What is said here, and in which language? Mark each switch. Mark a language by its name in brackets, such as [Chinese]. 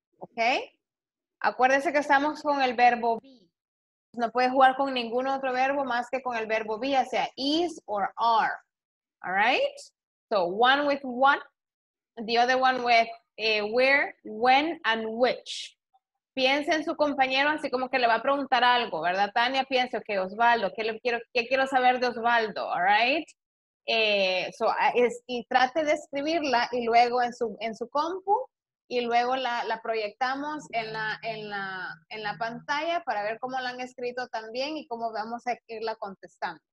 [Spanish] Okay, acuérdese que estamos con el verbo be. No puede jugar con ningún otro verbo más que con el verbo be, ya sea is or are. [English] All right, so one with what, the other one with where, when, and which. [Spanish] Piense en su compañero así como que le va a preguntar algo, ¿verdad, Tania? Piense, okay, Osvaldo, ¿qué quiero saber de Osvaldo? [English] All right, [Spanish] y trate de escribirla y luego en su compu. Y luego la proyectamos en la pantalla para ver cómo la han escrito también y cómo vamos a irla contestando.